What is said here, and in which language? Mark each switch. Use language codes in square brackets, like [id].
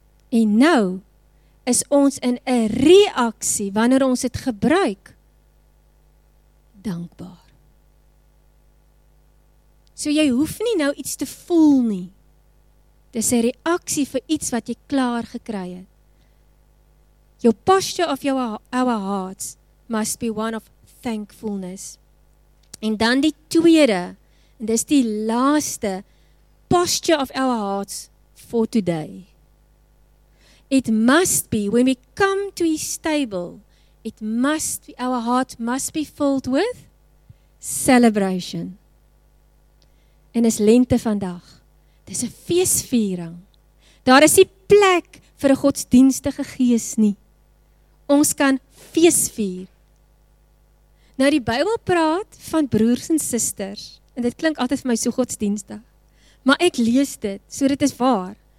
[af] En nou is ons in 'n reaksie, wanneer ons het gebruik, dankbaar. So jy hoef nie nou iets te voel nie. Dis 'n reaksie vir iets wat jy klaar gekry het. [en] Your posture of our hearts must be one of thankfulness. [af] En dan die tweede, en dis die laaste, [en] posture of our hearts for today. It must be, when we come to his table, it must be, our heart must be filled with celebration. [af] En is lente vandag. Dis 'n feesviering. Daar is nie plek vir 'n godsdienstige gees nie. Ons kan feesvier. Nou die Bybel praat van broers en susters. En dit klink altyd vir my so godsdienstig. Maar ek lees dit, so dit is waar.